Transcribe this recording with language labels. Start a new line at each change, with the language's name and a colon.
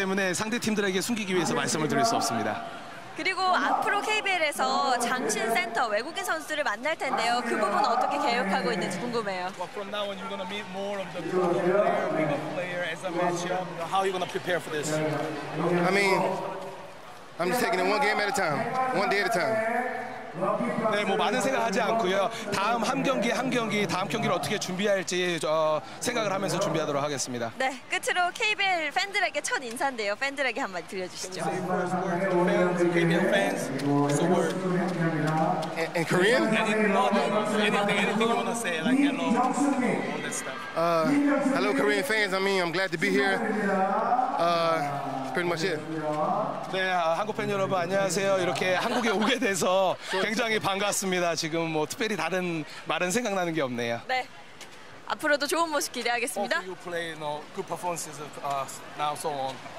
English: It's like a trade secret.
Korean: 네, 비밀이기 때문에 상대 팀들에게 그리고 앞으로 KBL에서 장신 센터 외국인 선수들을 만날 텐데요. 그 부분 어떻게 계획하고 있는지 궁금해요.
English: Well, from now on, you're gonna meet more of the bigger player as a matchup. How are you gonna prepare for this? I mean, I'm just taking it one game at a time, one day at a time.
Korean: 네, 뭐 많은 생각하지 않고요. 다음 한 경기 다음 경기를 어떻게 준비할지 생각을 하면서 준비하도록 하겠습니다. 네, 끝으로 KBL 팬들에게 첫 인사인데요. 팬들에게 한 마디 들려주시죠.
English: KBL fans, what's the word? In Korean? Anything you want to say, like hello, all that stuff. Hello, Korean fans. I mean, I'm glad to be here. Pretty much it.
Korean: 네, 한국 팬 여러분 안녕하세요. 이렇게 한국에 오게 돼서 굉장히 반갑습니다. 지금 뭐 특별히 다른 말은 생각나는 게 없네요. 네, 앞으로도 좋은 모습 기대하겠습니다.
English: You play, you know, good performances of us now so on.